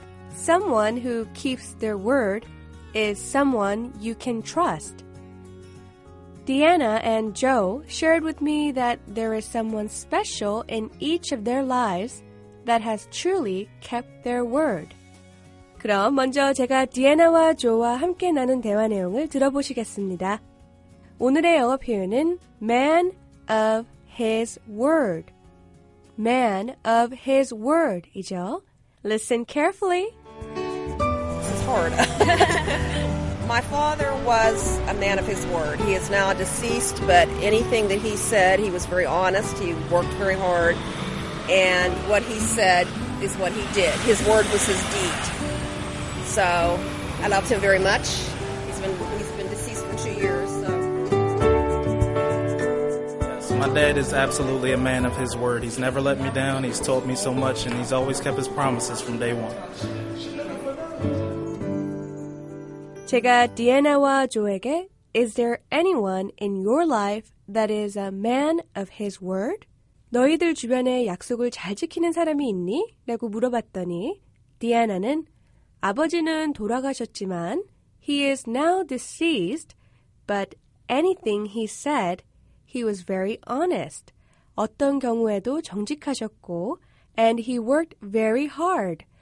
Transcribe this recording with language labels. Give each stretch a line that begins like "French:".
English: Someone who keeps their word is someone you can trust. Deanna and Joe shared with me that there is someone special in each of their lives that has truly kept their word.
Korean: 그럼 먼저 제가 디애나와 조와 함께 나눈 대화 내용을 들어보시겠습니다. 오늘의 영어 표현은
English: man of his word. Man of his word이죠. Listen carefully. This is hard. My father was a man of his word. He is now deceased, but anything that he said, he was very honest. He worked very hard. And what he said is what he did. His word was his deed. So I loved him very much. He's been deceased for 2 years. So. Yes, my dad is absolutely a man of his word. He's never let me down. He's told me so much, and he's always kept his promises from day one.
Korean: 제가 디애나와 조에게
English: Is there anyone in your life that is a man of his word?
Korean: 너희들 주변에 약속을 잘 지키는 사람이 있니? 라고 물어봤더니 디애나는 아버지는 돌아가셨지만
English: He is now deceased, but anything he said, he was very honest.
Korean: 어떤 경우에도 정직하셨고
English: And he worked very hard.